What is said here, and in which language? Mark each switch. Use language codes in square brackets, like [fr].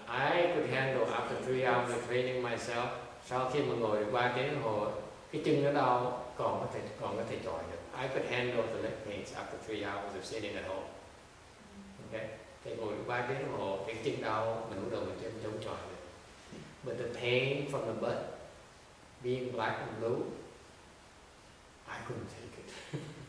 [en] I could handle after 3 hours of training myself. [vi] Sau khi mà ngồi 3 tiếng đồng hồ, cái chân nó đau, còn có thể chọi được. [en] I could handle the leg pains after 3 hours of sitting at home. Okay? [vi] Thì ngồi 3 tiếng đồng hồ, cái chân đau, mình bắt đầu mình chống chọi được. [en] But the pain from the butt, being black and blue, I couldn't take it.